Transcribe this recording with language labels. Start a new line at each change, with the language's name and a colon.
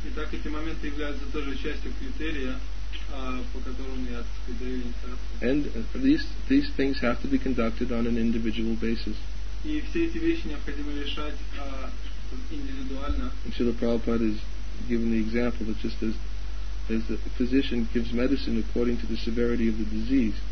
Russian: Итак, эти моменты являются тоже частью критерия, по которым я даю инициацию.
English: And these things have to be conducted on an individual basis.
Russian: И все эти вещи необходимо решать индивидуально.
English: Srila Prabhupada has given the example that just as the physician gives medicine according to the severity of the disease.